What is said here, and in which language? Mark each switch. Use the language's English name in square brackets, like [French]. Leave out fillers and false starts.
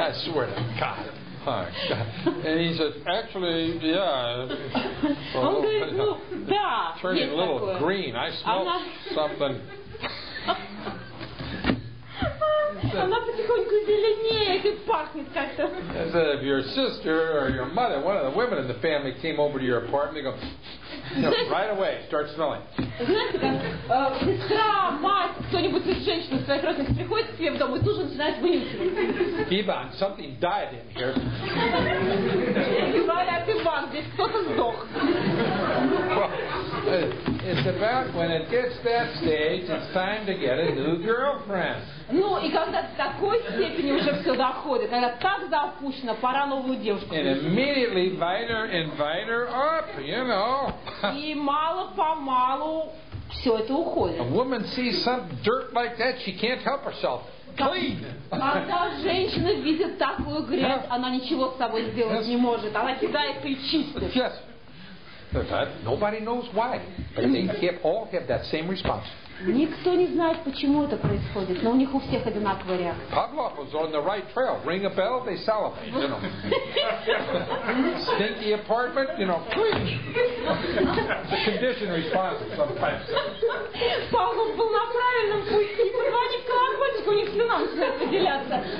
[English] I swear to God. And he said, actually, yeah. [Russian] Он говорит, ну, да. [English] Turning a little green. I smell something. [Russian] Она потихоньку зеленеет и пахнет как-то. [English] I said, if your sister or your mother, one of the women in the family came over to your apartment, they go... right away, start smelling. [Russian] Знаете, как сестра, мать, кто-нибудь из женщин, из своих родных, приходит к тебе в дом и тоже начинает вынюхивать. [English] Иван, something died in here. [Russian] Говорят, Иван, здесь кто-то сдох. [English] It's about when it gets that stage, it's time to get a new girlfriend. [Russian] Ну, и когда в такой степени уже все доходит, когда так запущено, пора новую девушку. [English] And immediately invite her up, [Russian] И мало-помалу все это уходит. [English] A woman sees some dirt like that, she can't help herself. [Russian] Когда женщина видит такую грязь, она ничего с собой сделать не может. Она кидает и чистит. [English] Yes. Nobody knows why, but they all have that same response. Никто не знает, почему это происходит, но у них у всех одинаковая реакция. Pavlov was on the right trail. Ring a bell, they salivate. You know, stinky apartment. You know, preach. The conditioned response sometimes. [Russian] Павлов был на правильном пути. Они колокольчик, у них слюна начинает выделяться.